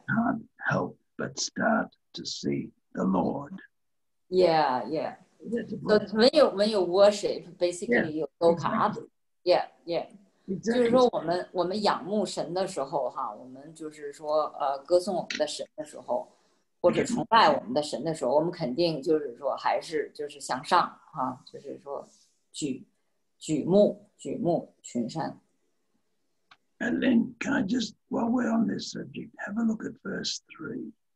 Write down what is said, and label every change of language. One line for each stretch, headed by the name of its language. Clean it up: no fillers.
English: you can't help but start to see the Lord. Yeah, yeah. So when you worship, basically you look up. Yeah, yeah.
Chinese: 就是说我们仰慕神的时候哈，我们就是说歌颂我们的神的时候。或者崇拜我们的神的时候，我们肯定就是说还是就是向上哈、啊，就是说举目群山。
English: And then can I just while we're on this subject, have a look at verse 3.